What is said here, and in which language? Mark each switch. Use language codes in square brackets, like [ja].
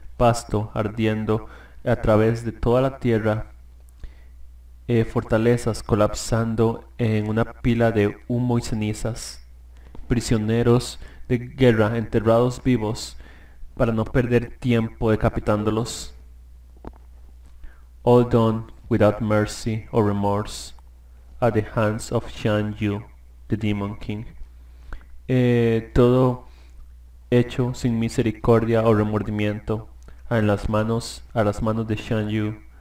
[es] Pasto ardiendo a través de toda la tierra. Fortalezas colapsando en una pila de humo y cenizas. Prisioneros de guerra enterrados vivos para no perder tiempo decapitándolos. [en] All done without mercy or remorse at the hands of Xian Yu, the Demon King. [es] Todo hecho sin misericordia o remordimiento a las manos de Xian Yu,